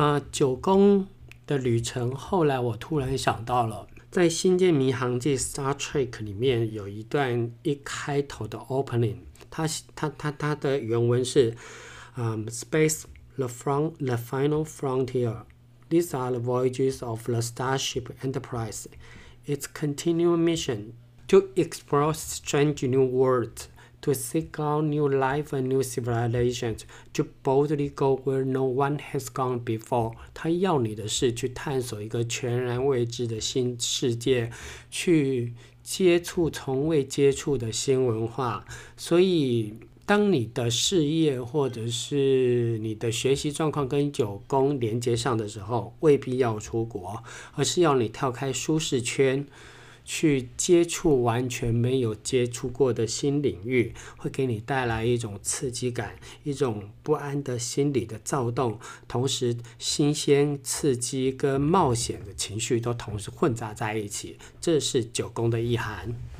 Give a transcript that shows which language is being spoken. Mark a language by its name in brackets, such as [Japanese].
[Chinese] 九公的旅程，后来我突然想到了。在《星舰迷航记》（Star Trek） 里面有一段一开头的 opening，它的原文是： [English] “Space, the final frontier. These are the voyages of the Starship Enterprise. Its continual mission to explore strange new worlds, to seek out new life and new civilizations, to boldly go where no one has gone before。 [Chinese] 他要你的是去探索一个全然未知的新世界，去接触从未接触的新文化。所以，当你的事业或者是你的学习状况跟九宫连接上的时候，未必要出国，而是要你跳开舒适圈，去接触完全没有接触过的新领域，会给你带来一种刺激感，一种不安的心理的躁动，同时新鲜、刺激跟冒险的情绪都同时混杂在一起，这是九宫的意涵。